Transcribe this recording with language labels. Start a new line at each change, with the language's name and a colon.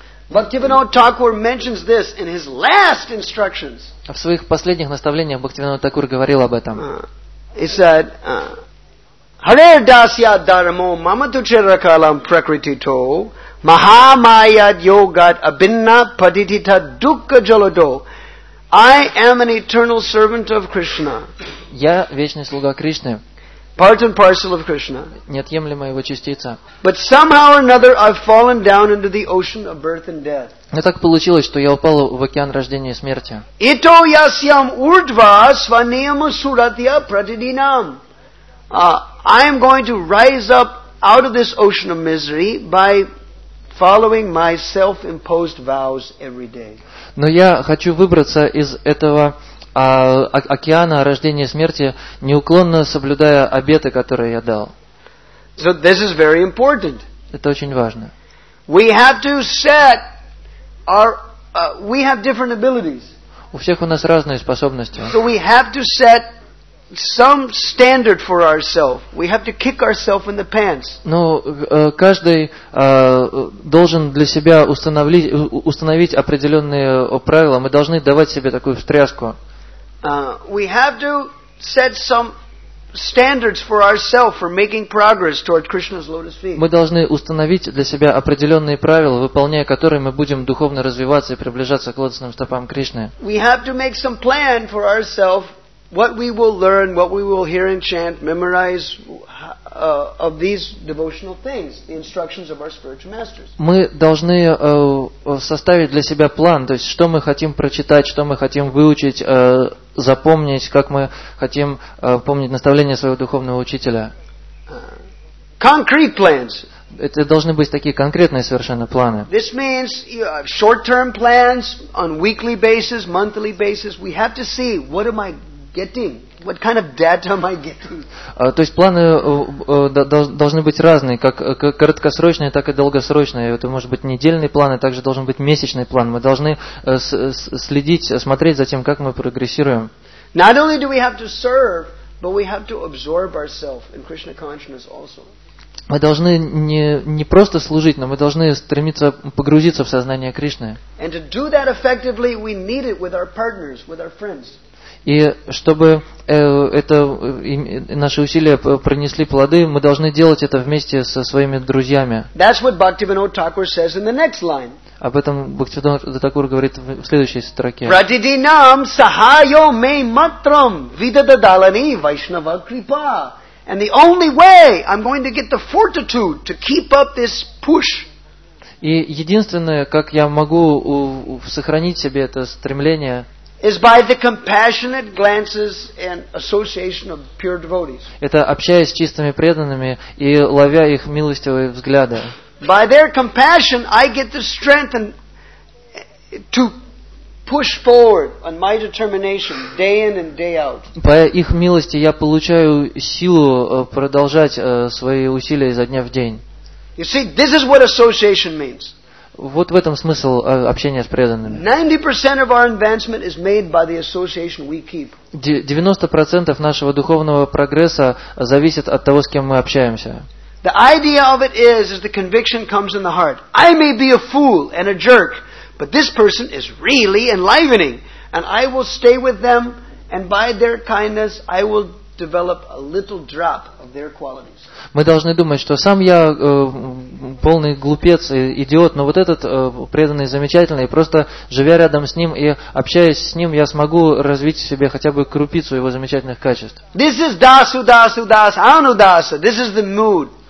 English: Bhaktivinoda Thakur mentions this in his last instructions.
Russian: В своих последних наставлениях Бхактивинода Такур говорил об этом.
English: He said,
Sanskrit: Hare Dasya Dharamo Mamatuchera Kalam Prakriti To Mahamayad Yogat Abhinna Paditita Dukkha Jalado.
English: I am an eternal servant of Krishna.
Russian: Я вечный слуга Кришны.
English: Part and parcel of Krishna.
Russian: Неотъемлемая его частица.
English: But somehow or another I've fallen down into the ocean of birth and death.
Russian: Но так получилось, что я упал в океан рождения и смерти.
Sanskrit: Ito yasyam urdva svaniyama suratya pratidinam.
English: I am going to rise up out of this ocean of misery by following my self-imposed vows every day.
Russian: Но я хочу выбраться из этого океана рождения и смерти, неуклонно соблюдая обеты, которые я дал.
English: So this is very important.
Russian: Это очень важно.
English: We have to set our we have different abilities.
Russian: У всех у нас разные способности.
English: So we have to set some standard for ourselves. We have to kick ourselves in the pants.
Russian: Но каждый должен для себя установить определенные правила. Мы должны давать себе такую встряску.
English: We have to set some standards for ourselves for making progress toward Krishna's lotus feet.
Russian: Мы должны установить для себя определенные правила, выполняя которые мы будем духовно развиваться и приближаться к лотосным стопам Кришны.
English: We have to make some plan for ourselves. What we will learn, what we will hear and chant, memorize of these devotional things, the instructions of our spiritual masters.
Russian: Мы должны составить для себя план, то есть что мы хотим прочитать, что мы хотим выучить, запомнить, как мы хотим помнить наставления своего духовного учителя.
English: Concrete plans.
Russian: Это должны быть такие конкретные совершенно планы.
English: This means short-term plans on weekly basis, monthly basis. We have to see what am I getting? What kind of data am I getting?
Russian: То есть планы должны быть разные, как краткосрочные, так и долгосрочные. Это может быть недельный план, и также должен быть месячный план. Мы должны следить, смотреть за тем, как мы прогрессируем.
English: Not only do we have to serve, but we have to absorb ourselves in Krishna consciousness also.
Russian: Мы должны не просто служить, но мы должны стремиться погрузиться в сознание Кришны.
English: And to do that effectively, we need it with our partners, with our friends.
Russian: И чтобы это наши усилия принесли плоды, мы должны делать это вместе со своими друзьями.
English: That's what Bhaktivinoda Thakur says in the next line.
Russian: Об этом Бхактивинода Такур говорит в следующей строке.
Sanskrit: Pratidinam sahayo me matram vidadadalani vaishnava kripa.
English: And the only way I'm going to get the fortitude to keep up this push.
Russian: И единственное, как я могу сохранить себе это стремление,
English: is by the compassionate glances and association of pure devotees.
Russian: Это общаясь с чистыми преданными и ловя их милостивые взгляды.
English: By their compassion, I get the strength and to push forward on my determination day in and day out.
Russian: По их милости я получаю силу продолжать свои усилия изо дня в день.
English: You see, this is what association means.
Russian: Вот в этом смысл общения с преданными.
English: 90% of our advancement is made by the association we keep.
Russian: 90% нашего духовного прогресса зависит от того, с кем мы общаемся.
English: The idea of it is the conviction comes in the heart. I may be a fool and a jerk, but this person is really enlivening, and I will stay with them, and by their kindness, I will develop a little drop of their qualities.
Russian: Мы должны думать, что сам я полный глупец и идиот, но вот этот преданный замечательный, просто живя рядом с ним и общаясь с ним, я смогу развить в себе хотя бы крупицу его замечательных качеств.
English: This is
Sanskrit: dasu dasu das anudasa.
English: This is the mood.